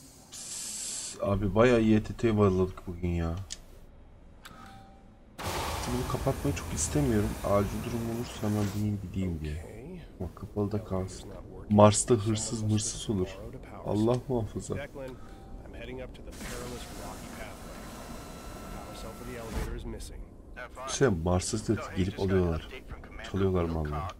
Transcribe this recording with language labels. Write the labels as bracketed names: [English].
[Turkish] Psss, abi bayağı YTT'ye bağladık bugün ya. Bunu kapatmayı çok istemiyorum. Acil durum olursa hemen bineyim gideyim diye. Ama kapalı da kalsın. Mars'ta hırsız mırsız olur. Allah muhafaza. [English] Heading up to the perilous rocky pathway. Power cell for the elevator is missing. [Turkish] İşte Mars'ta gelip alıyorlar. Çalıyorlar malı.